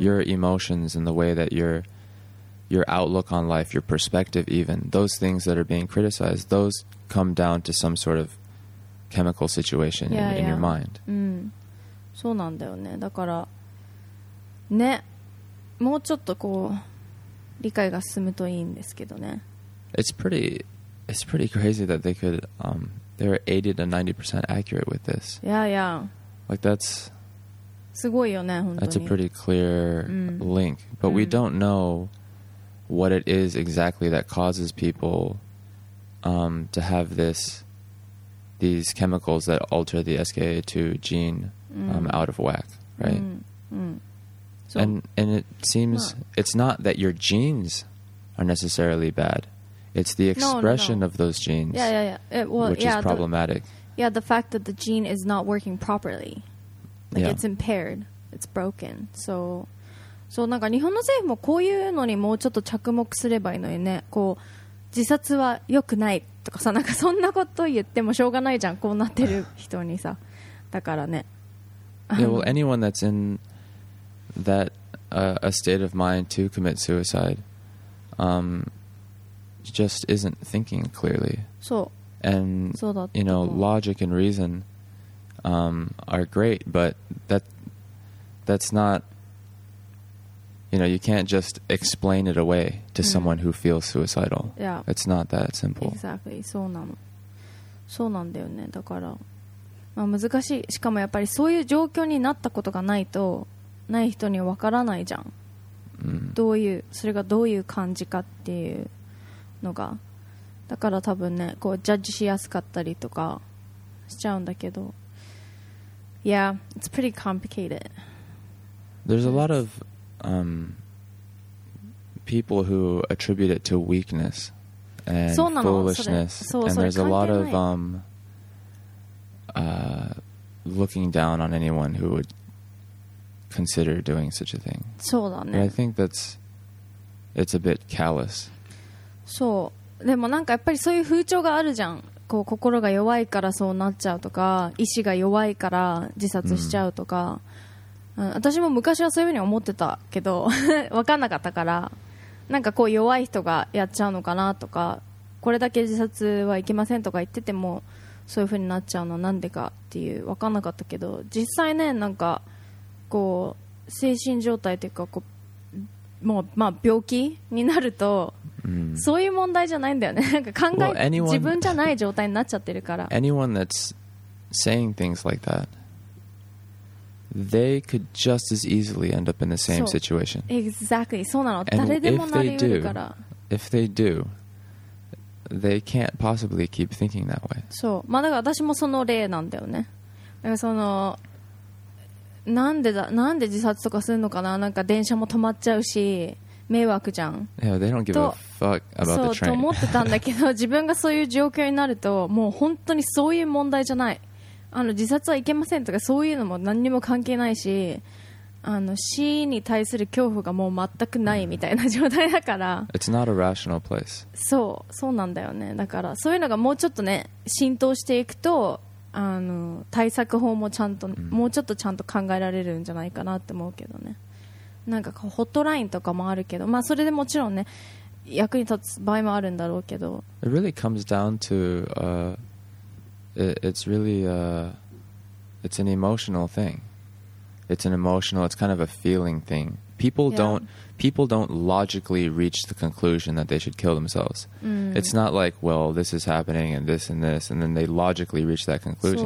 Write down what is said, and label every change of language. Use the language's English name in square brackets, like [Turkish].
[English] Your emotions and the way that your outlook on life, your perspective even, those things that are being criticized, those come down to some sort of chemical situation in your mind. [Japanese] Mm. そうなんだよね。だからね、もうちょっとこう理解が進むといいんですけどね。 [English] It's pretty crazy that they could, they're 80 to 90% accurate with this. Yeah, yeah. Like that's... [Japanese] すごいよね、本当に。 [English] That's a pretty clear link. But we don't know what it is exactly that causes people to have these chemicals that alter the SKA2 gene out of whack, right? So, and it seems it's not that your genes are necessarily bad. It's the expression of those genes which is problematic. The fact that the gene is not working properly. It's impaired. It's broken. So, [Japanese] なんか日本の政府もこういうのにもうちょっと着目すればいいのにね。こう、自殺は良くないとかさ、なんかそんなこと言ってもしょうがないじゃん。こうなってる人にさ。だからね。 [English] Yeah, well, anyone that's in that a state of mind to commit suicide just isn't thinking clearly. So, and [Japanese] そうだ [English] って、you know, logic and reason are great, but that's not, you know, you can't just explain it away to someone who feels suicidal. Yeah. It's not that simple. Exactly. [Japanese] そうなの。そうなんだよね。だから、まあ、難しい。しかもやっぱりそういう状況になったことがないと、ない人にはわからないじゃん。どういう、それがどういう感じかっていうのが。だから多分ね、こうジャッジしやすかったりとかしちゃうんだけど。 [English] Yeah, it's pretty complicated. There's a lot of people who attribute it to weakness and foolishness, and there's a lot of looking down on anyone who would consider doing such a thing. [Japanese] そうだね。 [English] And I think it's a bit callous. [Japanese] そう。でもなんかやっぱりそういう風潮があるじゃん。こう心が弱いからそうなっちゃうとか、意志が弱いから自殺しちゃうとか。私も昔はそういうふうに思ってたけど分かんなかったから、なんかこう弱い人がやっちゃうのかなとか、これだけ自殺はいけませんとか言っててもそういうふうになっちゃうのなんでかっていう分かんなかったけど、実際ね、なんかこう精神状態というか、こうもうまあ病気になるとそういう問題じゃないんだよね。なんか考え、 [English] well, anyone, [Japanese] 自分じゃない状態になっちゃってるから。 [English] Anyone that's saying things like thatthey could just as easily end up in the same situation. Exactly. [Japanese] そうなの。誰でもなり得るから。 [English] If they do, they can't possibly keep thinking that way. [Japanese] そう。まあだから私もその例なんだよね。だからその、なんで自殺とかするのかな？なんか電車も止まっちゃうし、迷惑じゃん。 [English] Yeah, they don't give a fuck about the train. [Japanese] そう、と思ってたんだけど、自分がそういう状況になると、もう本当にそういう問題じゃない。あの自殺はいけませんとかそういうのも何にも関係ないし、あの死に対する恐怖がもう全くないみたいな状態だから、 [English] It's not a rational place. [Japanese] そうなんだよね。だからそういうのがもうちょっとね浸透していくと、あの対策法もちゃんと、もうちょっとちゃんと考えられるんじゃないかなって思うけどね。なんかホットラインとかもあるけど、まあそれでもちろんね役に立つ場合もあるんだろうけど、 [English] It really comes down to It's really it's an emotional thing. It's kind of a feeling thing. People don't logically reach the conclusion that they should kill themselves. It's not like, well, this is happening and this and this, and then they logically reach that conclusion.